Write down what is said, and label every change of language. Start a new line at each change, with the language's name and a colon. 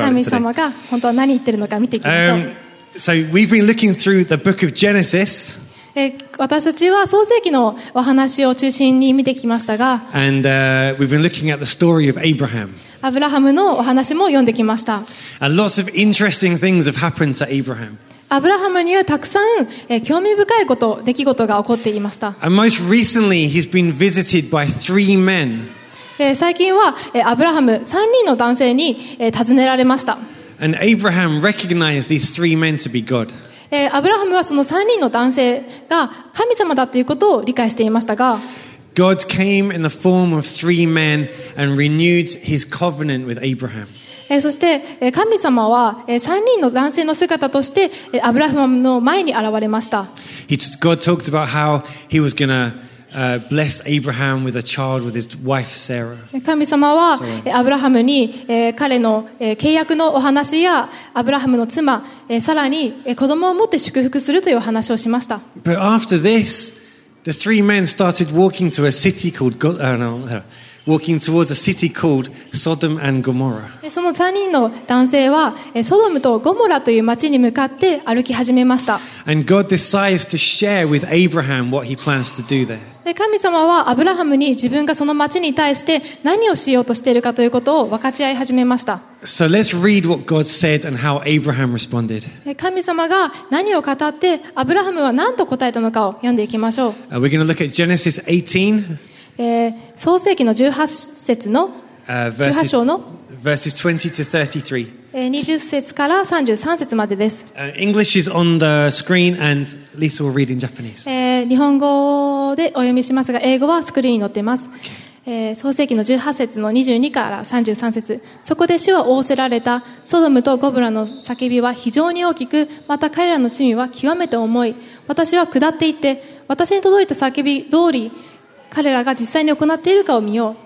Japanese: 神様が本当は何言ってるのか見ていきましょう。
English: So we've been looking through the book of Genesis.
Japanese: 私たちは創世記のお話を中心に見てきましたが、
English: and we've been looking at the story of Abraham.
Japanese: アブラハムのお話も読んできました。
English: And lots of interesting things have happened to Abraham.
Japanese: アブラハムにはたくさん興味深いこと、出来事が起こっていました。
English: And most recently, he's been visited by three men.
Japanese: 最近はアブラハム3人の男性に訪ねられました。
English: And Abraham recognized these three men to be God.
Japanese: アブラハムはその三人の男性が神様だということを理解していましたが、
English: God came in the form of three men and renewed his covenant with Abraham.
Japanese: そして神様は三人の男性の姿としてアブラハムの前に現れました。
English: God talked about how he was gonna bless Abraham with a child with his wife Sarah.
Japanese: 神様はアブラハムに彼の契約のお話やアブラハムの妻サラに子供を持って祝福するという話をしました。
English: But after this, the three men started walking to a city called walking towards a city called Sodom and Gomorrah.
Japanese: その3人の男性はソドムとゴモラという町に向かって歩き始めました。
English: And God decides to share with Abraham what he plans to do there.
Japanese: で神様はアブラハムに自分がその町に対して何をしようとしているかということを分かち合い始めました。
English: So let's read what God said and how Abraham responded.
Japanese: 神様が何を語ってアブラハムは何と答えたのかを読んでいきましょう。
English: We're going to look at Genesis 18.
Japanese: 創世記の18節の18章の
English: verses 20 to 33.
Japanese: 20節から33節までです。
English: English is on the screen and Lisa will read in Japanese.
Japanese: 日本語でお読みしますが英語はスクリーンに載っています、創世記の18節の22から33節。そこで主は仰せられた。ソドムとゴブラの叫びは非常に大きく、また彼らの罪は極めて重い。私は下って行って、私に届いた叫び通り彼らが実際に行っているかを見よう。